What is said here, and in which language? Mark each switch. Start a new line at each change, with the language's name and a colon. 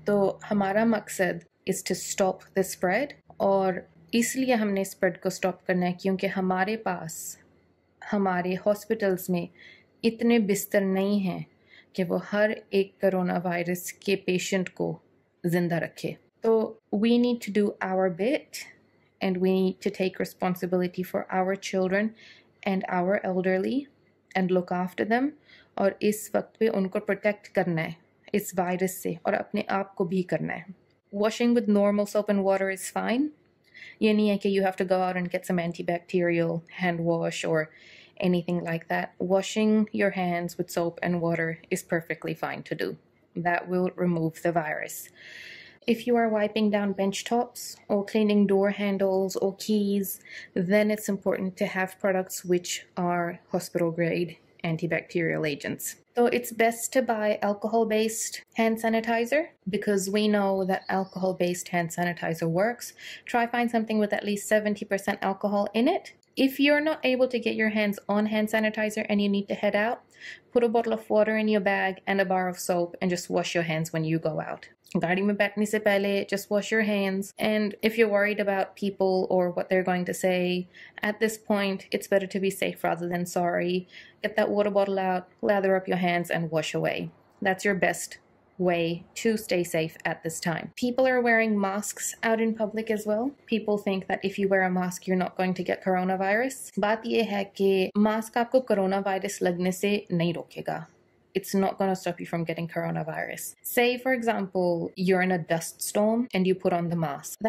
Hindi: So hamara maqsad
English: is to stop the spread,
Hindi: aur isliye humne spread ko stop karna hai kyunki hamare paas hamare hospitals mein itne bistar nahi hain कि वो हर एक corona virus के patient को जिंदा रखे।
English: तो we need to do our bit and we need to take responsibility for our children and our elderly and look after them.
Hindi: और इस वक्त पे उनको प्रोटेक्ट करना है इस वायरस से और अपने आप को भी करना है।
English: Washing with normal soap and water is fine.
Hindi: ये नहीं है कि
English: You have to go out and get some anti bacterial hand wash और anything like that. Washing your hands with soap and water is perfectly fine to do. That will remove the virus. If you are wiping down bench tops or cleaning door handles or keys, then it's important to have products which are hospital grade antibacterial agents. So it's best to buy alcohol-based hand sanitizer because we know that alcohol-based hand sanitizer works. Try find something with at least 70% alcohol in it. If you're not able to get your hands on hand sanitizer and you need to head out, put a bottle of water in your bag and a bar of soap and just wash your hands when you go out.
Hindi: गाड़ी में बैठने से पहले
English: Just wash your hands and if you worried about people और what they are going to say at this point it's better to be safe rather than sorry get that water bottle out lather up your hands and wash away that's your best way to stay safe at this time. People are wearing masks out in public as well. People think that if you wear a mask, you're not going to get coronavirus.
Hindi: Baat ye hai ki mask aapko coronavirus lagne se nahi rokega.
English: It's not going to stop you from getting coronavirus. Say, for example, you're in a dust storm and you put on the mask.